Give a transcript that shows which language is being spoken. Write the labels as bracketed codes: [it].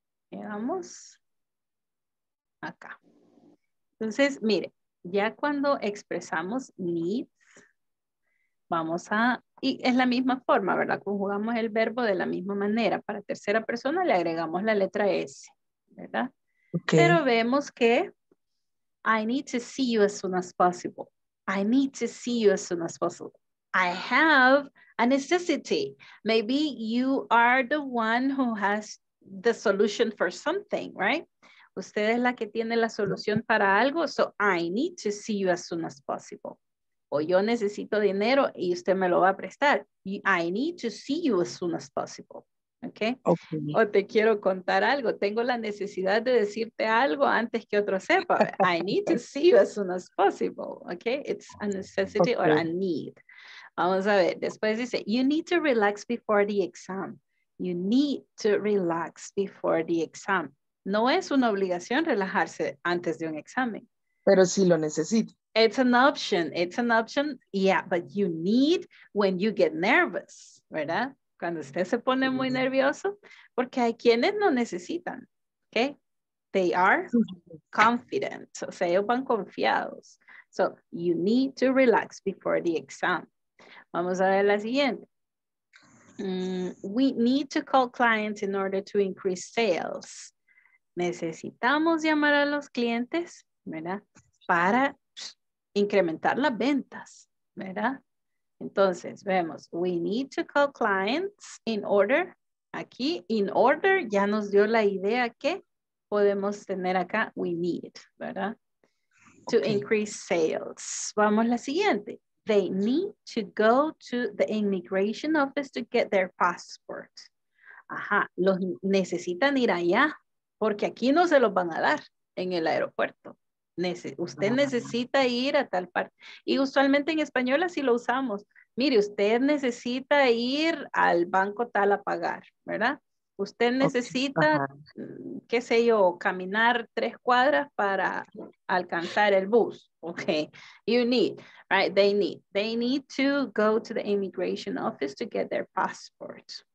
[es] Vamos acá. Entonces, mire, ya cuando expresamos need, vamos a, y es la misma forma, ¿verdad? Conjugamos el verbo de la misma manera. Para tercera persona le agregamos la letra S, ¿verdad? Okay. Pero vemos que [en] I need to see you as soon as possible. I need to see you as soon as possible. I have a necessity. Maybe you are the one who has the solution for something, right? [es] Usted es la que tiene la solución para algo. [en] So I need to see you as soon as possible. [es] O yo necesito dinero y usted me lo va a prestar. [en] I need to see you as soon as possible. Okay? Okay. [es] O te quiero contar algo. Tengo la necesidad de decirte algo antes que otro sepa. [en] I need to see you as soon as possible. Okay? It's a necessity okay. Or a need. [es] Vamos a ver. [en] Después dice, you need to relax before the exam. You need to relax before the exam. [es] No es una obligación relajarse antes de un examen. Pero sí lo necesito. [en] It's an option. It's an option. Yeah, but you need when you get nervous, ¿verdad? [es] Cuando usted se pone muy nervioso, porque hay quienes no necesitan, ¿okay? [en] They are confident. [es] O sea, ellos van confiados. [en] So, you need to relax before the exam. [es] Vamos a ver la siguiente. [en] We need to call clients in order to increase sales. [es] Necesitamos llamar a los clientes, ¿verdad? Para incrementar las ventas, ¿verdad? Entonces, vemos, [en] we need to call clients in order, [es] aquí, [en] in order, [es] ya nos dio la idea que podemos tener acá, [en] we need, [es] ¿verdad? Okay. [en] To increase sales. [es] Vamos a la siguiente. [en] They need to go to the immigration office to get their passport. [es] Ajá, los necesitan ir allá, porque aquí no se los van a dar en el aeropuerto. Usted necesita ir a tal parte. Y usualmente en español así lo usamos. Mire, usted necesita ir al banco tal a pagar, ¿verdad? Usted necesita, okay, qué sé yo, caminar 3 cuadras para alcanzar el bus. [en] Okay, you need, right? They need to go to the immigration office to get their passport.